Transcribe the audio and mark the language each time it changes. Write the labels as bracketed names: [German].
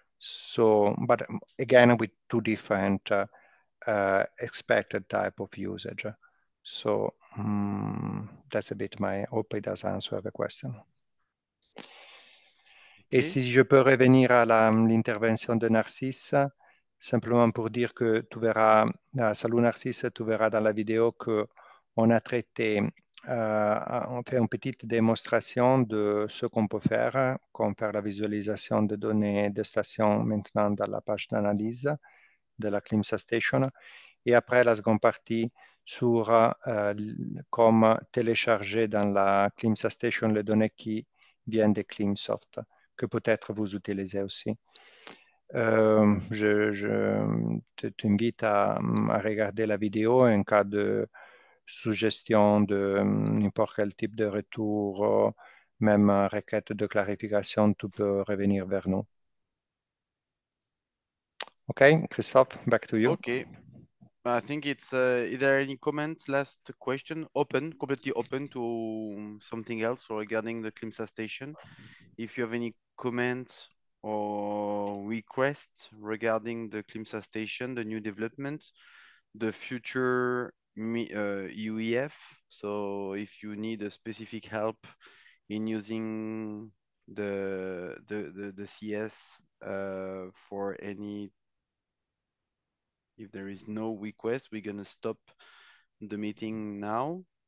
[English] So, but again, with two different expected type of usage. So that's a bit my, hope it does answer the question. Okay. [French] Et si je peux revenir à l'intervention de Narcisse, simplement pour dire que tu verras, salut Narcisse, tu verras dans la vidéo qu'on a traité, on fait une petite démonstration de ce qu'on peut faire, comme faire la visualisation des données de station maintenant dans la page d'analyse de la CLIMSA Station, et après la seconde partie sur comment télécharger dans la CLIMSA Station les données qui viennent de CLIMSOFT, que peut-être vous utilisez aussi. Je t'invite à regarder la vidéo en cas de suggestion de n'importe quel type de retour, même requête de clarification, tu peux revenir vers nous. [English] OK, Christophe, back to you. OK. I think it's, is there any comments, last question, open, completely open to something else regarding the CLIMSA station. If you have any comments or requests regarding the CLIMSA station, the new development, the future UEF, so if you need a specific help in using the CS for any, if there is no request, we're going to stop the meeting now.